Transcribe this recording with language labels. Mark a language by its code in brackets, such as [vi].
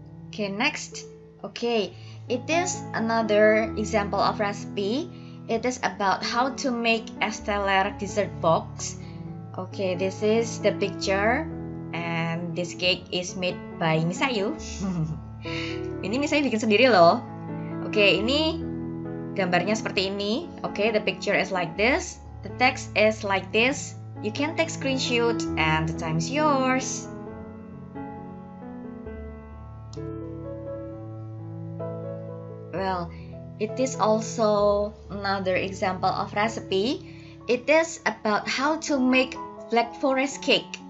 [en] Okay, next. Okay, it is another example of recipe. It is about how to make Estelle's dessert box. Okay, this is the picture and this cake is made by Miss Ayu. [id] Ini Miss Ayu bikin sendiri loh. Okay, ini gambarnya seperti ini. [en] Okay, the picture is like this. The text is like this. You can take screenshot and the time is yours. Well, it is also another example of recipe. It is about how to make Black Forest cake.